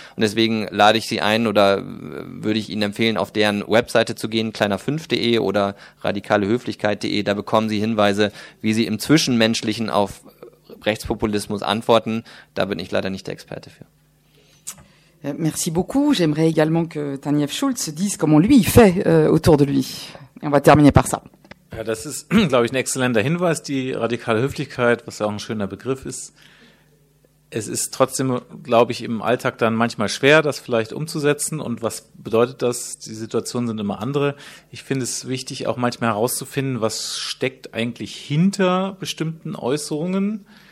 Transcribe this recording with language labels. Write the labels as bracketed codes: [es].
[de] Und deswegen lade ich Sie ein oder würde ich Ihnen empfehlen, auf deren Webseite zu gehen, kleiner5.de oder radikalehöflichkeit.de. Da bekommen Sie Hinweise, wie Sie im Zwischenmenschlichen auf Rechtspopulismus antworten. Da bin ich leider nicht der Experte für. [fr] Merci beaucoup. J'aimerais également que Taniev Schulz dise comment lui fait autour de lui. On va terminer par ça. [de] Ja, das ist, glaube ich, ein exzellenter Hinweis, die radikale Höflichkeit, was ja auch ein schöner Begriff ist. Es ist trotzdem, glaube ich, im Alltag dann manchmal schwer, das vielleicht umzusetzen. Und was bedeutet das? Die Situationen sind immer andere. Ich finde es wichtig, auch manchmal herauszufinden, was steckt eigentlich hinter bestimmten Äußerungen.